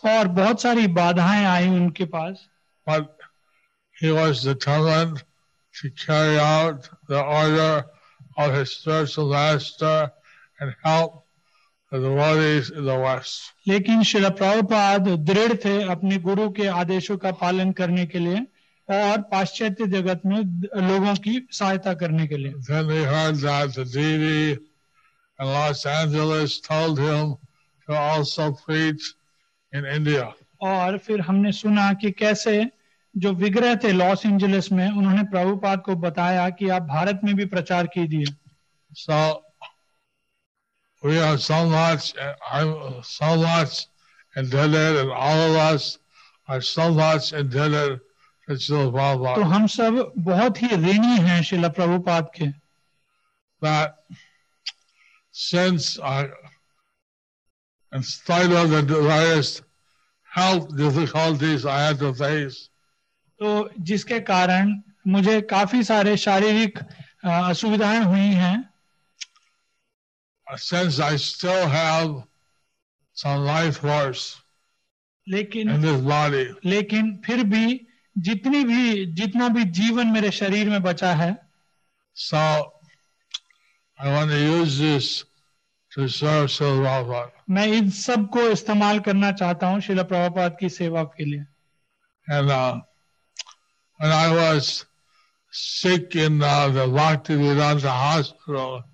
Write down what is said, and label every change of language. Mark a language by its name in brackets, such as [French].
[Hindi] और बहुत सारी बाधाएं आई उनके पास. [English] But he was determined to carry out the order of his spiritual master and help [Hindi] लेकिन श्री प्रभुपाद दृढ़ थे अपने गुरु के आदेशों का पालन करने के लिए और पाश्चात्य जगत में लोगों की सहायता करने के लिए. [English] Then they heard that the deity in Los Angeles told him to also preach in India. [Hindi] और फिर हमने सुना कि कैसे जो विग्रह थे लॉस एंजलिस में उन्होंने प्रभुपाद को बताया कि आप भारत में भी प्रचार कीजिए. [English] We are so much, I'm so much indebted, and all of us are so much indebted to Srila Prabhupada. [Hindi] तो हम सब बहुत ही ऋणी हैं श्रीला प्रभुपाद के. [English] That since our, in spite of the various health difficulties I had to face. [Hindi] तो जिसके कारण मुझे काफी सारे शारीरिक असुविधाएं हुई हैं. [English] Since I still have some life force [Hindi] लेकिन, [English] in this body, [Hindi] लेकिन फिर भी जितनी भी जितना भी जीवन मेरे शरीर में बचा है, [English] so I want to use this to serve Srila Prabhupada. [Hindi] मैं इन सब को इस्तेमाल करना चाहता हूँ श्रील प्रभुपाद की सेवा के लिए. [English] And when I was sick in the Bhaktivedanta hospital.